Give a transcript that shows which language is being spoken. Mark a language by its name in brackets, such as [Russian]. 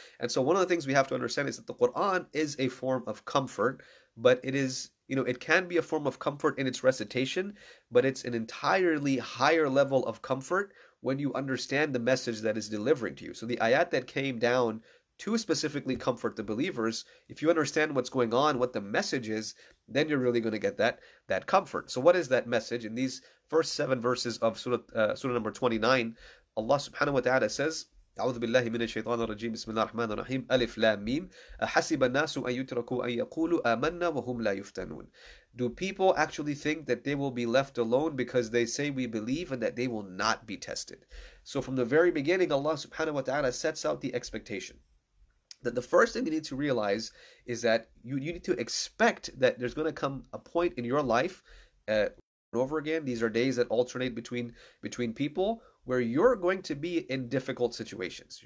[English] And so one of the things we have to understand is that the Quran is a form of comfort, but it is, you know, it can be a form of comfort in its recitation, but it's an entirely higher level of comfort when you understand the message that is delivering to you. So the ayat that came down to specifically comfort the believers, if you understand what's going on, what the message is, then you're really going to get that comfort. So what is that message? In these first 7 verses of Surah number 29, Allah subhanahu wa ta'ala says, [Arabic] أعوذ بالله من الشيطان الرجيم بسم الله الرحمن الرحيم ألف لام ميم أحسب الناس أن يتركوا أن يقولوا آمنا وهم لا يفتنون. [English] Do people actually think that they will be left alone because they say we believe and that they will not be tested? So from the very beginning, Allah subhanahu wa ta'ala sets out the expectation that the first thing you need to realize is that you need to expect that there's going to come a point in your life, over again, these are days that alternate between people, where you're going to be in difficult situations.